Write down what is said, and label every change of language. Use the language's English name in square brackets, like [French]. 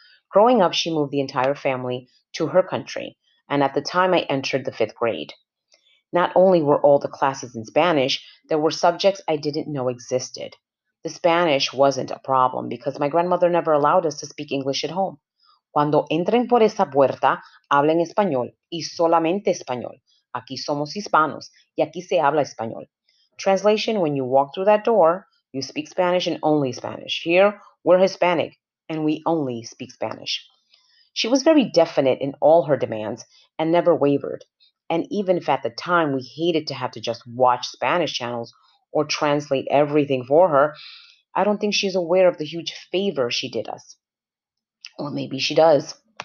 [English] Growing up, she moved the entire family to her country, and at the time I entered the fifth grade. Not only were all the classes in Spanish, there were subjects I didn't know existed. The Spanish wasn't a problem because my grandmother never allowed us to speak English at home. [Spanish] Cuando entren por esa puerta, hablen español y solamente español. Aquí somos hispanos y aquí se habla español. [English] Translation, when you walk through that door, you speak Spanish and only Spanish. Here, we're Hispanic and we only speak Spanish. She was very definite in all her demands and never wavered. And even if at the time we hated to have to just watch Spanish channels or translate everything for her, I don't think she's aware of the huge favor she did us. Or maybe she does.